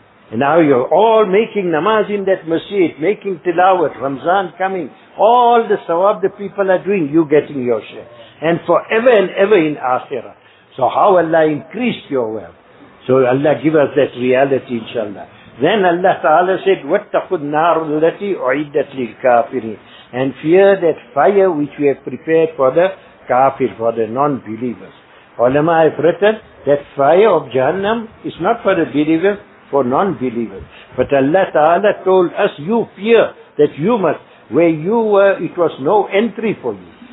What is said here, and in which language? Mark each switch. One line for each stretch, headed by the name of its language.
English: And now you're all making namaz in that masjid, making tilawat, Ramzan coming. All the sawab the people are doing, you getting your share. And forever and ever in akhirah. So how Allah increased your wealth. So Allah give us that reality, inshallah. Then Allah Ta'ala said,
Arabic: وَاتَّقُوا النَّارُ الَّتِي أُعِدَّتْ لِلْكَافِرِينَ.
English: And fear that fire which we have prepared for the kafir, for the non-believers. Ulama have written that fire of Jahannam is not for the believers, for non-believers. But Allah Ta'ala told us, you fear that you must, where you were, it was no entry for you.